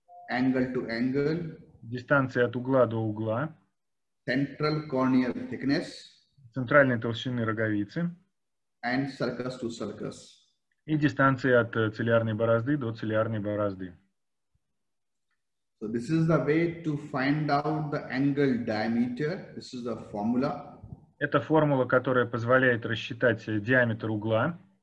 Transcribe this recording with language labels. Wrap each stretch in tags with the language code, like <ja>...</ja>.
<en>angle to angle,</en> <ru>дистанция от угла до угла,</ru> <en>central corneal thickness,</en> <ru>центральной толщины роговицы,</ru> <en>and sulcus to sulcus,</en> <ru>и дистанция от цилиарной борозды до цилиарной борозды.</ru> <en>So this is the way to find out the angle diameter. This is the formula.</en> <ru>Это формула, которая позволяет рассчитать диаметр угла.</ru>